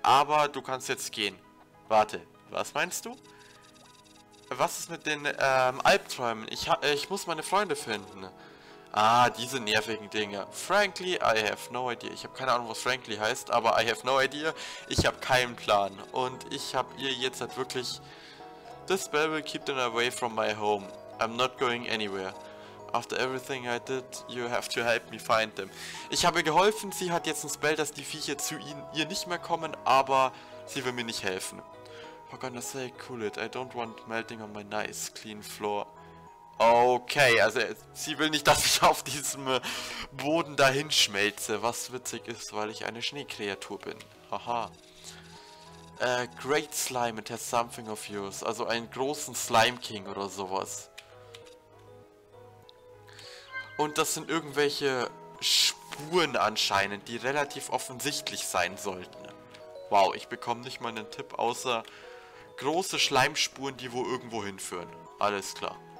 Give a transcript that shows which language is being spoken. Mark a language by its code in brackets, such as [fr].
[de] Aber du kannst jetzt gehen. Warte. Was meinst du? Was ist mit den Albträumen? Ich muss meine Freunde finden. Ah, diese nervigen Dinge. [en] Frankly, I have no idea. [de] Ich habe keine Ahnung, was Frankly heißt, aber [en] I have no idea. [de] Ich habe keinen Plan. Und ich habe ihr jetzt halt wirklich... [en] This spell will keep them away from my home. I'm not going anywhere. After everything I did, you have to help me find them. [de] Ich habe geholfen, sie hat jetzt ein Spell, dass die Viecher zu ihr nicht mehr kommen, aber sie will mir nicht helfen. [en] For goodness sake, cool it. I don't want melting on my nice clean floor. [de] Okay, also sie will nicht, dass ich auf diesem Boden dahin schmelze, was witzig ist, weil ich eine Schneekreatur bin. Haha. [en] Great Slime, it has something of yours. [de] Also einen großen Slime King oder sowas. Und das sind irgendwelche Spuren anscheinend, die relativ offensichtlich sein sollten. Wow, ich bekomme nicht mal einen Tipp, außer große Schleimspuren, die wo irgendwo hinführen. Alles klar.